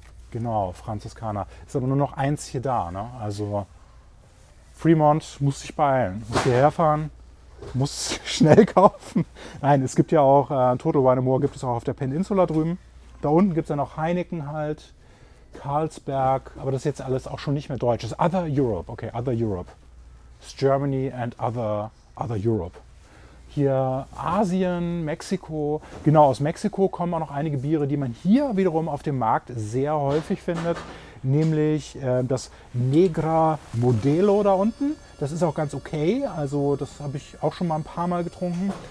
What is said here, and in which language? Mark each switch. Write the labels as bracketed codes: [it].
[de] Genau, Franziskaner. Ist aber nur noch eins hier da, ne? Also Fremont muss sich beeilen, muss hierher fahren, muss schnell kaufen. Nein, es gibt ja auch Total Wine & More, gibt es auch auf der Peninsula drüben. Da unten gibt es dann auch Heineken halt, Carlsberg, aber das ist jetzt alles auch schon nicht mehr deutsch. Das ist Other Europe, okay, Other Europe. [en] It's Germany and Other Europe. [de] Hier Asien, Mexiko, genau, aus Mexiko kommen auch noch einige Biere, die man hier wiederum auf dem Markt sehr häufig findet, nämlich das Negra Modelo da unten. Das ist auch ganz okay, also das habe ich auch schon mal ein paar Mal getrunken.